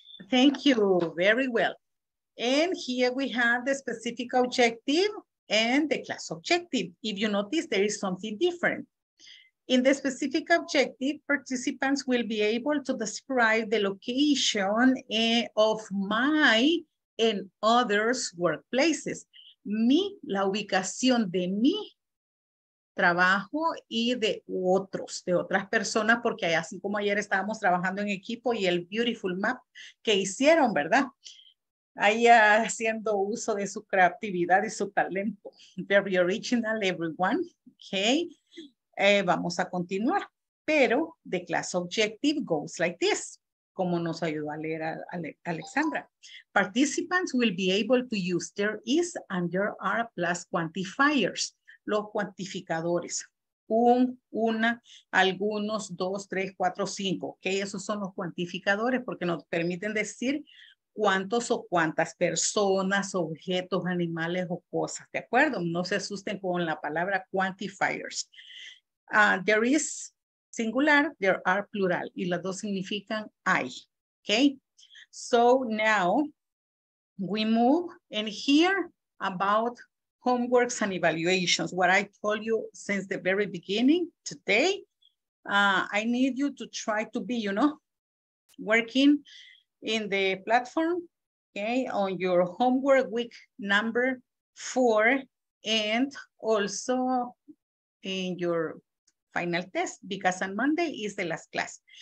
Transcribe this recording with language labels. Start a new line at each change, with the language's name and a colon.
English: Thank you. Very well. And here we have the specific objective. and the class objective. If you notice, there is something different. In the specific objective, participants will be able to describe the location of my and others' workplaces.
Spanish: Mi, la ubicación de mi trabajo y de otros, de otras personas, porque así como ayer estábamos trabajando en equipo y el
English: beautiful map
Spanish: que hicieron, ¿verdad? Ahí haciendo uso de su creatividad y su talento.
English: Very original, everyone. Okay.
Spanish: Vamos a continuar. Pero
English: the class objective goes like this,
Spanish: como nos ayudó a leer a Alexandra.
English: Participants will be able to use their is and their are plus quantifiers,
Spanish: los cuantificadores. Un, una, algunos, dos, tres, cuatro, cinco. Okay. Esos son los cuantificadores porque nos permiten decir cuántos o cuántas personas, objetos, animales o cosas, ¿de acuerdo? No se asusten con la palabra quantifiers.
English: There is singular, there are plural,
Spanish: y las dos significan hay,
English: okay? So now we move in here about homeworks and evaluations. What I told you since the very beginning today, I need you to try to be, you know, working in the platform, okay, on your homework week number 4 and also in your final test, because on Monday is the last class.